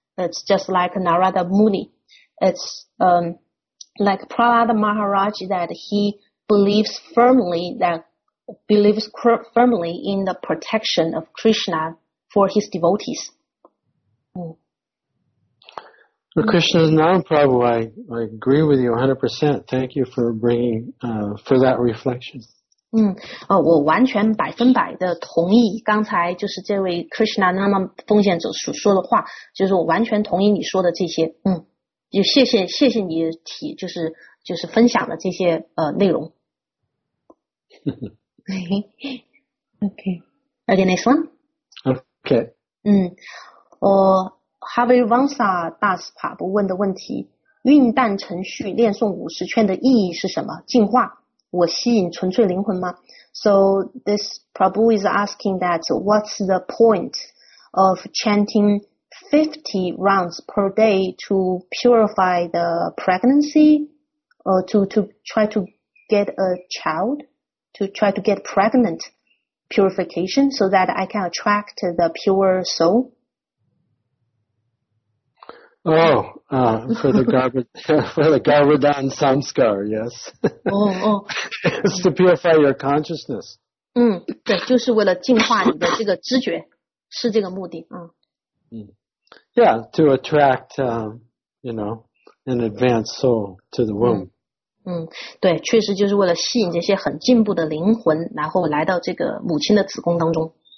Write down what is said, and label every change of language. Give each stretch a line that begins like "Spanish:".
English: It's just like Narada Muni. It's like Prahlada Maharaj, that he believes firmly in the protection of Krishna for his devotees. For Krishna's name, Prabhupada, I agree with you 100%. Thank you for bringing for that reflection.
Chinese: 我完全百分百的同意刚才就是这位 Krishna 那么奉献者所说的话，就是我完全同意你说的这些。就谢谢你提，就是分享的这些内容。
English: Okay, okay, next one. Okay.
Chinese: 我。哈维·旺萨·达斯帕布问的问题，运弹程序练诵五十圈的意义是什么？净化我吸引纯粹灵魂吗？
English: So this Prabhu is asking that what's the point of chanting 50 rounds per day to purify the pregnancy or to try to get a child, to try to get pregnant purification so that I can attract the pure soul? Oh, for the Garbhadan Samskar, yes. Oh, it's to purify your consciousness.
Chinese: 对，就是为了净化你的这个知觉，是这个目的。
English: Yeah, to attract, you know, an advanced soul to the womb.
Chinese: 对，确实就是为了吸引这些很进步的灵魂，然后来到这个母亲的子宫当中。